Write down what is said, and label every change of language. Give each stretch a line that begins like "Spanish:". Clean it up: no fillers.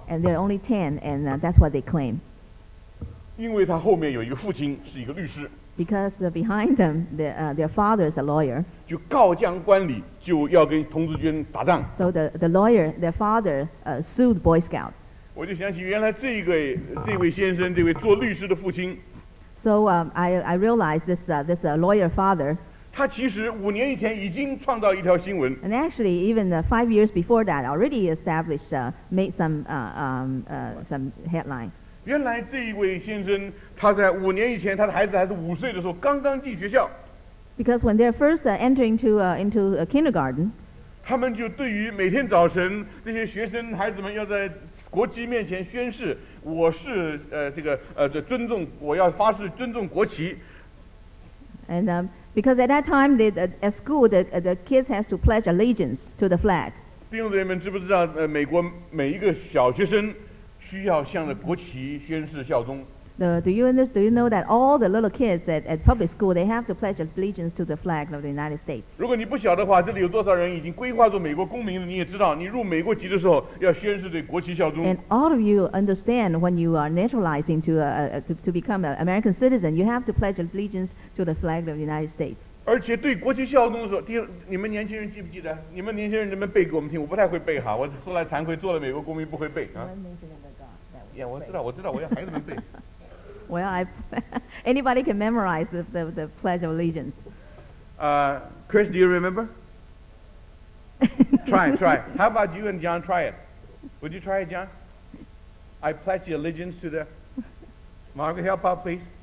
English: And they're only 10, and that's what they claim.
Chinese: 因为他后面有一个父亲是一个律师。
English: Because behind them, their father is a lawyer.
Chinese: 就告将官礼，就要跟童子军打仗。
English: So the lawyer, their father, sued Boy Scout.
Chinese: 我就想起原来这位先生，这位做律师的父亲。
English: So I realized this lawyer father.
Chinese: 他其实五年以前已经创造一条新闻。
English: And actually, even 5 years before that, already established made some headline.
Chinese: 原来这一位先生，他在五年以前，他的孩子还是五岁的时候，刚刚进学校。
English: Because when they're first entering into a kindergarten,
Chinese: 他们就对于每天早晨那些学生孩子们要在国旗面前宣誓，我是尊重，我要发誓尊重国旗。
English: And because at that time, at school, the kids has to pledge allegiance to the flag.
Chinese: 弟兄姊妹们，知不知道美国每一个小学生？需要向着国旗宣誓效忠。
English: Do you know that all the little kids at public school they have to pledge allegiance to the flag of the United States?
Chinese: 如果你不晓得的话，这里有多少人已经规划做美国公民了？你也知道，你入美国籍的时候要宣誓对国旗效忠。
English: And all of you understand when you are naturalizing to become an American citizen, you have to pledge allegiance to the flag of the United States.
Chinese: 而且对国旗效忠的时候，你们年轻人记不记得？你们年轻人能不能背给我们听？我不太会背哈，我说来惭愧，做了美国公民不会背啊。Yeah, 我知道，我要孩子们背。
English: Well, anybody can memorize the Pledge of Allegiance. Chris, do you remember? try. How about you and John try it? Would you try it, John? I pledge allegiance to the... Margaret, help out, please.